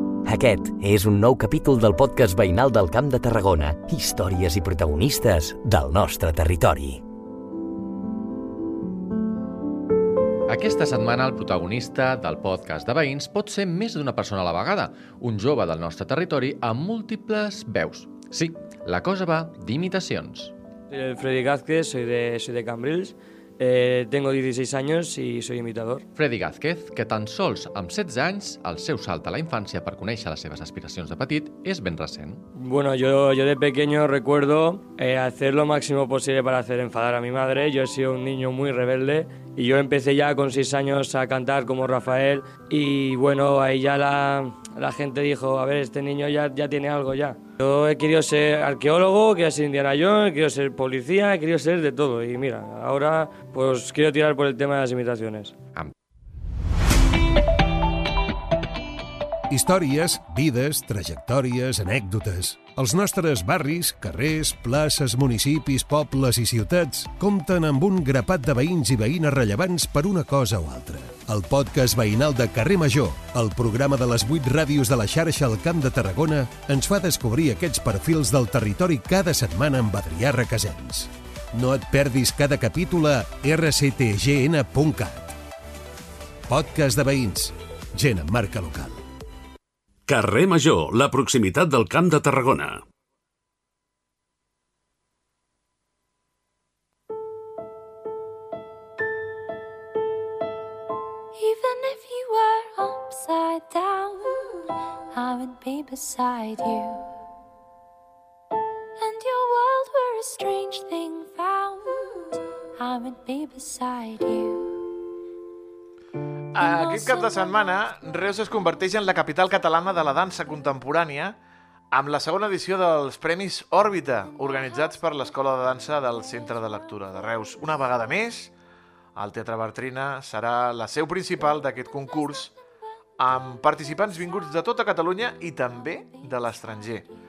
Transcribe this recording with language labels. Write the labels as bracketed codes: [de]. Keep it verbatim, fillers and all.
[ca] Aquest és un nou capítol del podcast veïnal del Camp de Tarragona, històries i protagonistes del nostre territori. Aquesta setmana el protagonista del podcast de veïns pot ser més d'una persona a la vegada, un jove del nostre territori amb múltiples veus. Sí, la cosa va d'imitacions. [es] Soy Freddy Gázquez, soy de, soy de Cambrils Eh, tengo dieciséis años y soy imitador. [ca] Freddy Gázquez, que tan sols amb setze anys, el seu salt a la infància per conèixer les seves aspiracions de petit és ben recent. [es] Bueno, yo, yo de pequeño recuerdo eh, hacer lo máximo posible para hacer enfadar a mi madre. Yo he sido un niño muy rebelde y yo empecé ya con seis años a cantar como Rafael y bueno, ahí ya la, la gente dijo, a ver, este niño ya, ya tiene algo ya. Yo he querido ser arqueólogo, he querido ser Indiana Jones, he querido ser policía, he querido ser de todo. Y mira, ahora pues quiero tirar por el tema de las imitaciones. [ca] Històries, vides, trajectòries, anècdotes. Els nostres barris, carrers, places, municipis, pobles i ciutats compten amb un grapat de veïns i veïnes rellevants per una cosa o altra. El podcast veïnal de Carrer Major, el programa de les vuit ràdios de la xarxa al Camp de Tarragona, ens fa descobrir aquests perfils del territori cada setmana amb Adrià Requesens. No et perdis cada capítol a erre ce te ge ene punt cat. Podcast de veïns. Gent amb marca local. Carrer Major, la proximitat del Camp de Tarragona. [en] Even if you were upside down, I would be beside you. And your world were a strange thing found, I would be beside you. [ca] Aquest cap de setmana, Reus es converteix en la capital catalana de la dansa contemporània amb la segona edició dels Premis Òrbita, organitzats per l'Escola de Dansa del Centre de Lectura de Reus. Una vegada més, el Teatre Bartrina serà la seu principal d'aquest concurs amb participants vinguts de tota Catalunya i també de l'estranger.